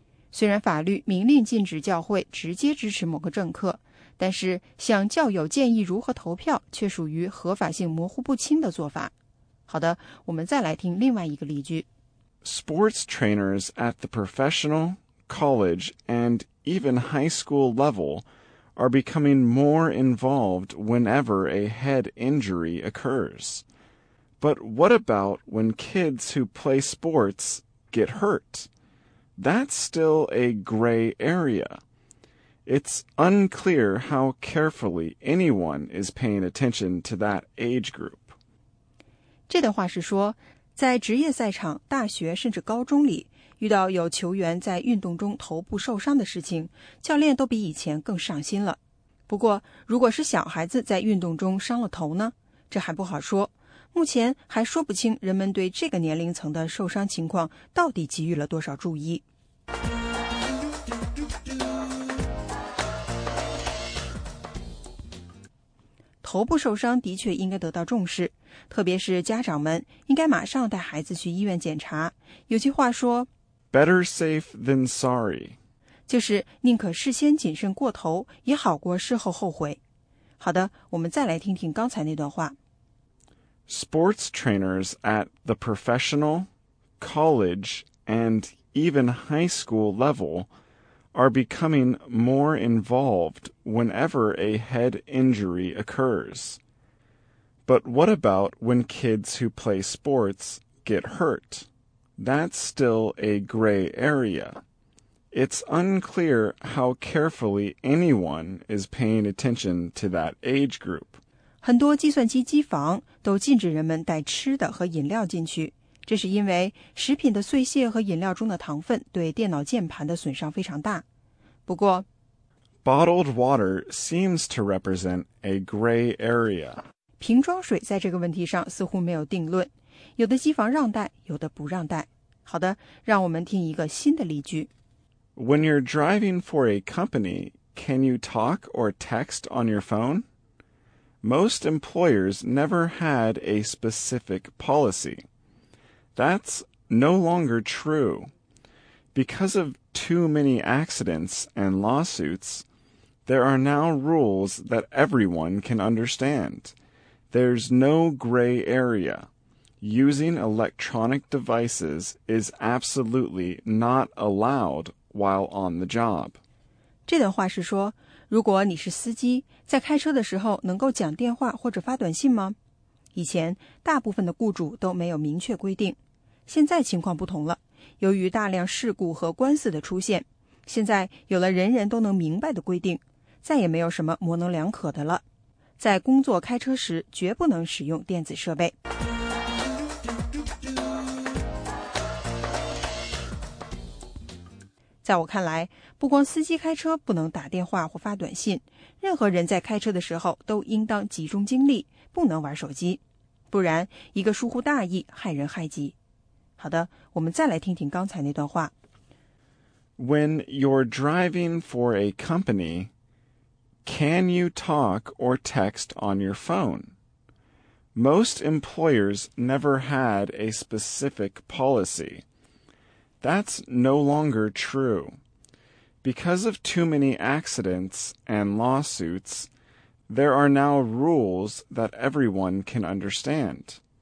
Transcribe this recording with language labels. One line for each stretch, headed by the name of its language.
Chinese: 虽然法律明令禁止教会直接支持某个政客，但是向教友建议如何投票却属于合法性模糊不清的做法。好的，我们再来听另外一个例句。
English: Sports trainers at the professional, college, and even high school level are becoming more involved whenever a head injury occurs. But what about when kids who play sports get hurt? That's still a gray area. It's unclear how carefully anyone is paying attention to that age group.
Chinese: 这段话是说，在职业赛场、大学甚至高中里，遇到有球员在运动中头部受伤的事情，教练都比以前更上心了。不过，如果是小孩子在运动中伤了头呢？这还不好说。目前还说不清人们对这个年龄层的受伤情况到底给予了多少注意。头部受伤的确应该得到重视，特别是家长们应该马上带孩子去医院检查。有句话说
English: Better safe than sorry，
Chinese: 就是宁可事先谨慎过头，也好过事后后悔。好的，我们再来听听刚才那段话。
English: Sports trainers at the professional, college, and even high school level are becoming more involved whenever a head injury occurs. But what about when kids who play sports get hurt? That's still a gray area. It's unclear how carefully anyone is paying attention to that age group.
Chinese: 很多计算机机房都禁止人们带吃的和饮料进去，这是因为食品的碎屑和饮料中的糖分对电脑键盘的损伤非常大。不过
English: Bottled water seems to represent a gray area.
Chinese: 瓶装水在这个问题上似乎没有定论，有的机房让带，有的不让带。好的，让我们听一个新的例句。
English: When you're driving for a company, can you talk or text on your phone? Most employers never had a specific policy. That's no longer true. Because of too many accidents and lawsuits, there are now rules that everyone can understand. There's no gray area. Using electronic devices is absolutely not allowed while on the job.
Chinese: 这段话是说如果你是司机，在开车的时候能够讲电话或者发短信吗？以前，大部分的雇主都没有明确规定。现在情况不同了，由于大量事故和官司的出现，现在有了人人都能明白的规定，再也没有什么模棱两可的了。在工作开车时，绝不能使用电子设备。在我看来，不光司机开车不能打电话或发短信，任何人在开车的时候都应当集中精力，不能玩手机，不然一个疏忽大意，害人害己。好的，我们再来听听刚才那段话。
English: When you're driving for a company, can you talk or text on your phone? Most employers never had a specific policy. That's no longer true. Because of too many accidents and lawsuits, there are now rules that everyone can understand.